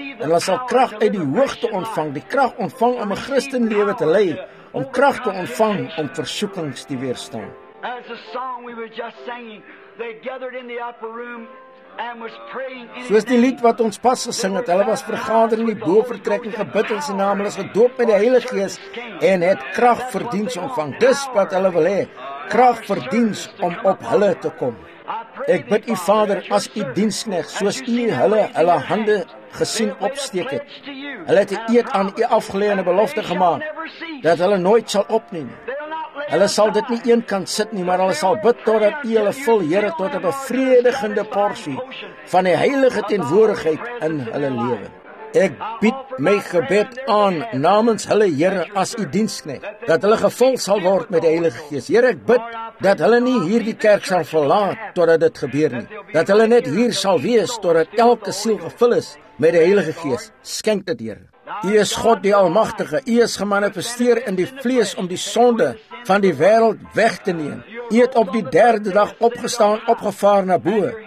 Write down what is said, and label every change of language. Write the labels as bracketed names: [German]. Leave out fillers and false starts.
[Afrikaans] En hulle sal krag uit die hoogte ontvang, die krag ontvang om 'n Christenlewe te lei, om krag te ontvang om versoekings te weerstaan. [English] As the song we were just singing, they gathered in the upper room and was praying. [Afrikaans] Soos die lied wat ons pas gesing het, hulle was vergader in die bovertrek en gebid in sy naam, hulle is gedoop met die Heilige Gees en het krag vir diens ontvang. Dis wat hulle wil hê, krag vir diens om op hulle te kom. Ek bid U Vader, as U diensknegt, soos U hulle hande gesien opsteek het, hulle het 'n eed aan U afgeleëne belofte gemaak, dat hulle nooit sal opneem. Hulle sal dit nie een kant sit nie, maar hulle sal bid totdat U hulle vul, Here, tot 'n bevredigende porsie van die Heilige teenwoordigheid in hulle lewe. Ek bied my gebed aan namens hulle, Here, as U diensknegt, dat hulle gevul sal word met die Heilige Gees. Here, ek bid dat hulle nie hierdie kerk sal verlaat totdat dit gebeur nie. Dat hulle net hier sal wees totdat elke siel gevul is met die Heilige Gees. Skenk dit, Here. U is God die Almagtige. U is gemanifesteer in die vlees om die sonde van die wêreld weg te neem. U het op die derde dag opgestaan, opgevaar na bo.